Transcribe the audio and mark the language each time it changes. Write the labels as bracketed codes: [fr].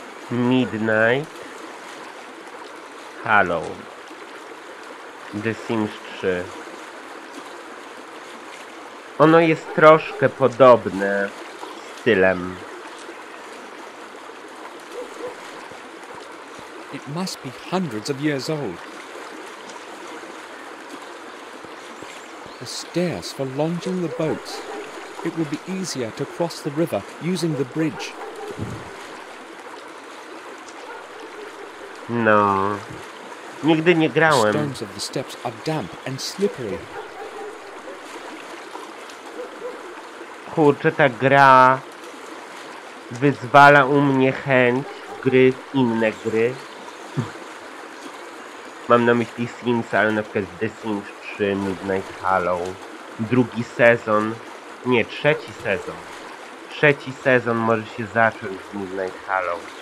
[en] Midnight Hallow. The Sims 3. [pl] Ono jest troszkę podobne stylem. [en] It must be hundreds of years old. The stairs for launching the boats. It would be easier to cross the river using the bridge. [pl] No. Nigdy nie grałem. [en] The stones of the steps are damp and slippery. [pl] Kurczę, ta gra wyzwala u mnie chęć gry w inne gry. Mam na myśli Sims, ale na przykład The Sims 3, Midnight Hallow. Drugi sezon. Nie, trzeci sezon. Trzeci sezon może się zacząć z Midnight Hallow.